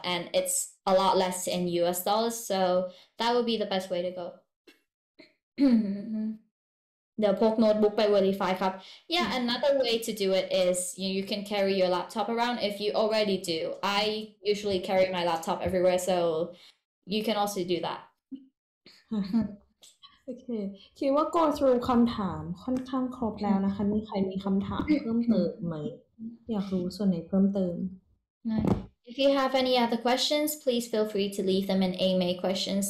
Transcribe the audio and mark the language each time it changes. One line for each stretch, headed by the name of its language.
English: And it's a lot less in US dollars. So that would be the best way to go.
Thai: เดี๋ยวพกโน้ตบุ๊กไป verify ครับ
English: Yeah, another way to do it is you can carry your laptop around if you already do. I usually carry my laptop everywhere, so you can also do that.
Thai: โอเคคิดว่า go through คำถามค่อนข้างครบแล้วนะคะมีใครมีคำถามเพิ่มเติมไหมอยากรู้ส่วนไหนเพิ่มเติม
English: If you have any other questions, please feel free to leave them in AMA questions.